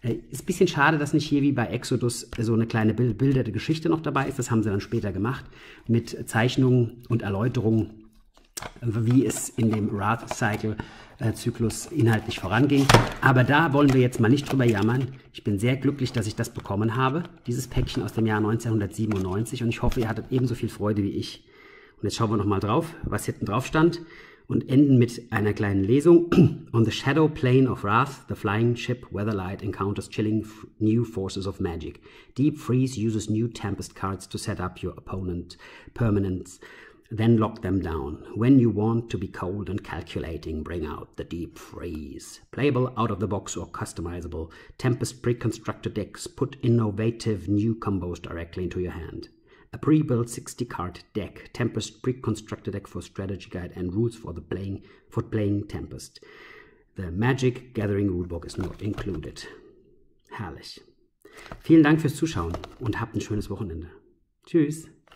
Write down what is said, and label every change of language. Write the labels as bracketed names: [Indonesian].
[German] Ist ein bisschen schade, dass nicht hier wie bei Exodus so eine kleine bebilderte Geschichte noch dabei ist. Das haben sie dann später gemacht mit Zeichnungen und Erläuterungen, wie es in dem Wrath-Cycle-Zyklus inhaltlich voranging. Aber da wollen wir jetzt mal nicht drüber jammern. Ich bin sehr glücklich, dass ich das bekommen habe, dieses Päckchen aus dem Jahr 1997. Und ich hoffe, ihr hattet ebenso viel Freude wie ich. Und jetzt schauen wir nochmal drauf, was hinten drauf stand. Und enden mit einer kleinen Lesung. [English] On the shadow plane of Wrath, the flying ship Weatherlight encounters chilling new forces of magic. Deep Freeze uses new Tempest cards to set up your opponent's permanents, then lock them down. When you want to be cold and calculating, bring out the Deep Freeze. Playable out of the box or customizable, Tempest pre-constructed decks put innovative new combos directly into your hand. A pre-built 60-card deck, Tempest pre-constructed deck for strategy guide and rules for the playing for playing Tempest. The Magic Gathering Rulebook is not included. [German] Herrlich. Vielen Dank fürs Zuschauen und habt ein schönes Wochenende. Tschüss.